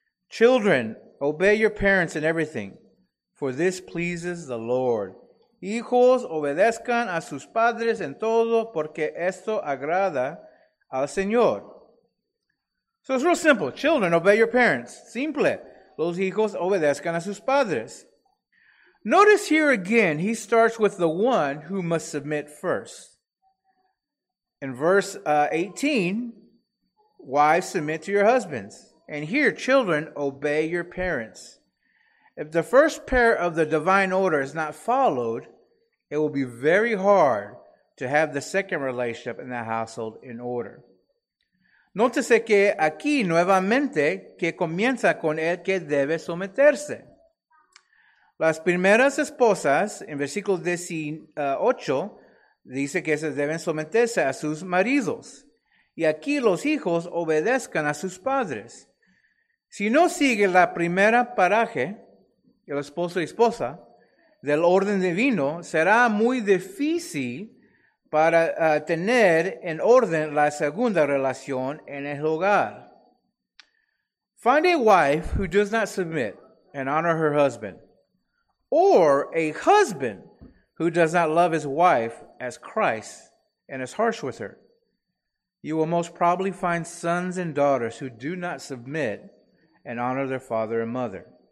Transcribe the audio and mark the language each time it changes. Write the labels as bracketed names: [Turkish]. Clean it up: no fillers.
[English] Children, obey your parents in everything, for this pleases the Lord. [Spanish] Hijos, obedezcan a sus padres en todo, porque esto agrada al Señor. [English] So it's real simple. Children, obey your parents. Simple. [Spanish] Los hijos obedezcan a sus padres. [English] Notice here again, he starts with the one who must submit first. In verse 18, wives submit to your husbands. And here, children, obey your parents. If the first pair of the divine order is not followed, it will be very hard to have the second relationship in the household in order. [Spanish] Nótese que aquí nuevamente que comienza con el que debe someterse. Las primeras esposas, en versículo 18, dice que se deben someterse a sus maridos. Y aquí los hijos obedezcan a sus padres. Si no sigue la primera paraje, el esposo y esposa, del orden divino, será muy difícil para tener en orden la segunda relación en el hogar. [English] Find a wife who does not submit and honor her husband, or a husband who does not love his wife as Christ and is harsh with her. You will most probably find sons and daughters who do not submit and honor their father and mother.